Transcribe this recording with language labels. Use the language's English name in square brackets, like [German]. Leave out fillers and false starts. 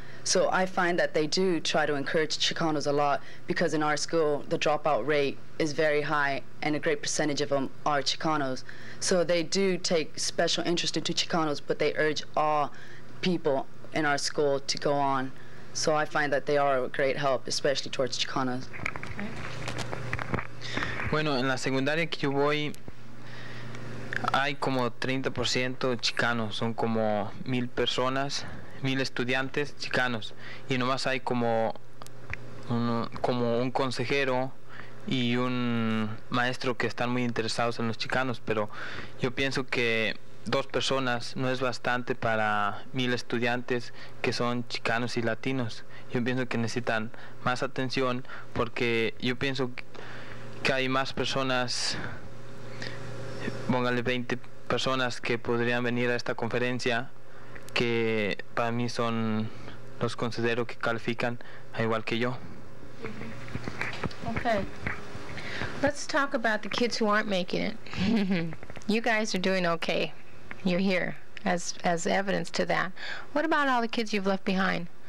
[English] So I find that they do try to encourage Chicanos a lot, because in our school, the dropout rate is very high and a great percentage of them are Chicanos. So they do take special interest into Chicanos, but they urge all people in our school to go on. So I find that they are a great help, especially towards Chicanos. Okay. [Spanish] Bueno, en la secundaria que yo voy, hay como 30% Chicanos, son como 1,000 personas. 1,000 estudiantes chicanos, y nomás hay como un consejero y un maestro que están muy interesados en los chicanos, pero yo pienso que dos personas no es bastante para 1,000 estudiantes que son chicanos y latinos. Yo pienso que necesitan más atención, porque yo pienso que hay más personas, póngale 20 personas que podrían venir a esta conferencia, que para mí son los consejeros que califican igual que yo. [English] Okay. Let's talk about the kids who aren't making it. You guys are doing okay. You're here as evidence to that. What about all the kids you've left behind?